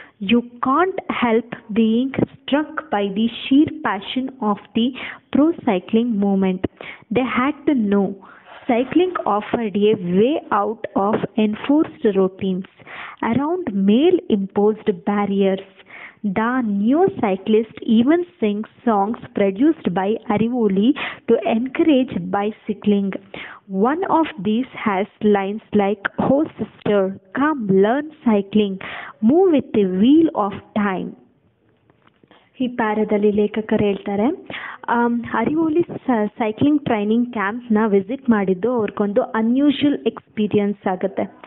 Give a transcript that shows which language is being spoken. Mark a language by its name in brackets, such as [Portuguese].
[English] You can't help being struck by the sheer passion of the pro cycling movement. They had to know cycling afforded a way out of enforced routines around male imposed barriers. The new cyclist even sings songs produced by Arivoli to encourage bicycling. One of these has lines like, "Oh sister, come learn cycling, move with the wheel of time." [Kannada] ಈ ಪ್ಯಾರದಲ್ಲಿ ಲೇಖಕರು ಹೇಳ್ತಾರೆ, Arivoli cycling training ಕ್ಯಾಂಪ್ನ visit ಮಾಡಿದ್ದು ಅವ್ರಿಗೊಂದು unusual experience ಆಗುತ್ತೆ.